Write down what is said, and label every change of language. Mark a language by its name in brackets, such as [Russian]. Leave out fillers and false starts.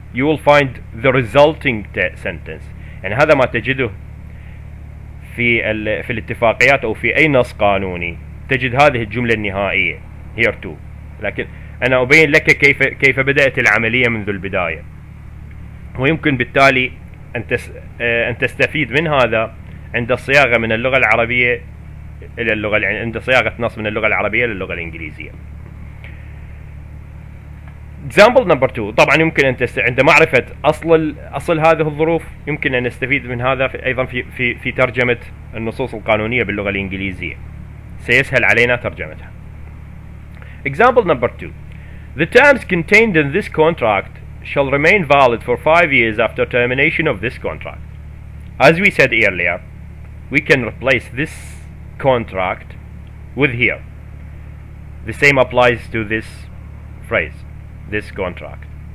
[English] You will find the resulting sentence. And [Arabic] هذا ما تجده في الاتفاقيات أو في أي نص قانوني تجد هذه الجملة النهائية [English] here to. [Arabic] لكن أنا أبين لك كيف بدأت العملية منذ البداية، ويمكن بالتالي أن تستفيد من هذا عند الصياغة من اللغة العربية إلى اللغة عند صياغة نص من اللغة العربية إلى اللغة الإنجليزية. [English] Example number two. [Arabic] طبعا يمكن أن عند معرفة أصل هذه الظروف يمكن أن نستفيد من هذا أيضا في ترجمة النصوص القانونية باللغة الإنجليزية، سيسهل علينا ترجمتها. [English] Example number two. The terms contained in this contract shall remain valid for 5 years after termination of this contract. As we said earlier, we can replace this contract with here. The same applies to this phrase, this contract.